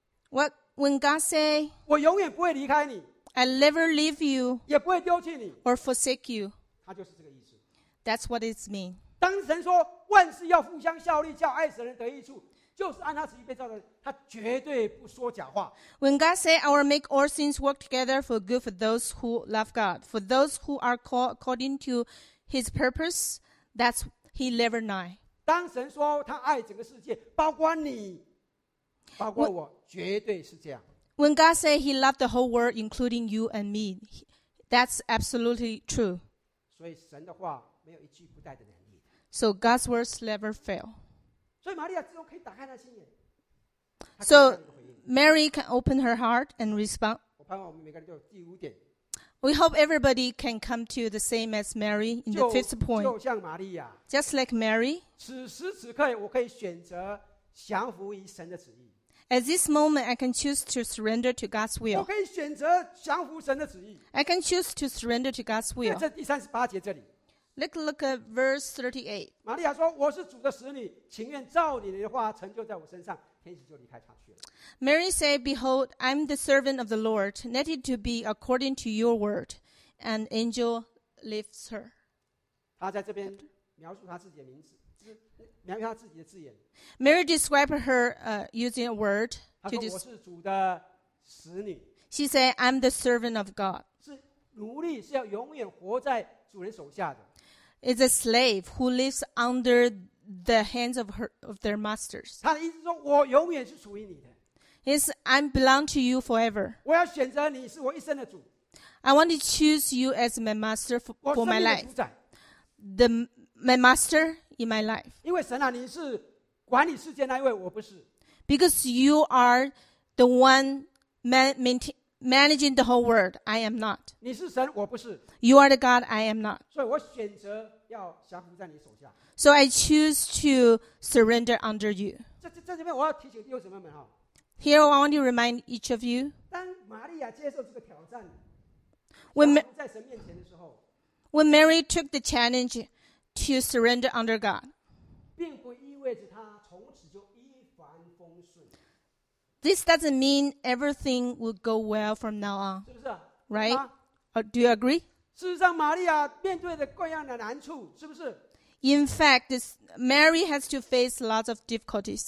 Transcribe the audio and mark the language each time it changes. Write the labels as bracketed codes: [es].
[en] When God say [zh] 我永远不会离开你 [en] I never leave you [zh] 也不会丢弃你 [en] or forsake you [zh] 他就是这个意思。 [en] That's what it means. [zh] 当神说万事要互相效力叫爱神人得益处就是按他自己被造的他绝对不说假话。 [en] When God say I will make all things work together for good for those who love God for those who are called according to his purpose that'sHe never lied. [zh] 当神说他爱整个世界，包括你，包括我，绝对是这样。 [en] When God said He loved the whole world, including you and me, That's absolutely true. [zh] 所以神的话没有一句不带的能力。 [en] So God's words never fail. [zh] 所以玛利亚之后可以打开她心眼。 [en] So Mary can open her heart and respond. [zh] 我盼望我们每个人都有第五点。 [en] We hope everybody can come to the same as Mary in the fifth point. [zh] 就像玛利亚。 [en] Just like Mary. [zh] 此时此刻，我可以选择降服于神的旨意。 [en] At this moment, I can choose to surrender to God's will. [zh] 我可以选择降服神的旨意。 [en] I can choose to surrender to God's will. [zh] 在第三十八节这里。 [en] Look at verse 38. [zh] 玛利亚说：“我是主的使女，情愿照你的话成就在我身上。” 天使就离开她去了。 [en] Mary said, "Behold, I'm the servant of the Lord. Let it to be according to your word." And angel lifts her. [zh] 她在这边描述她自己的名字。描述他自己的字眼。 [en] Mary described her using a word to describe. [zh] 她说我是主的使女。 [en] She said, "I'm the servant of God." [zh] 是奴隶，是要永远活在主人手下的。 [en] It's a slave who lives under the hands of her of their masters. [zh] 她的意思说，我永远是属于你的。 [en] It's I belong to you forever. [zh] 我要选择你是我一生的主。 [en] I want to choose you as my master for my life. The my master. In my life. [zh] 因为神啊，你是管理世界那一位，我不是。 [en] Because you are the one managing the whole world, I am not. [zh] 你是神，我不是。 [en] You are the God, I am not. [zh] 所以我选择要降服在你手下。 [en] So I choose to surrender under you. [zh] 在这边我要提醒弟兄姊妹们哈。 [en] Here I want to remind each of you. [zh] 当玛利亚接受这个挑战，在神面前的时候 [en] ，When Mary took the challenge. To surrender under God. [zh] 并不意味着他从此就一帆风顺。 [en] This doesn't mean everything will go well from now on. [zh] 是不是啊？ [en] Right? Do you agree? [zh] 事实上，玛利亚面对的各样的难处，是不是？ [en] In fact, this Mary has to face lots of difficulties.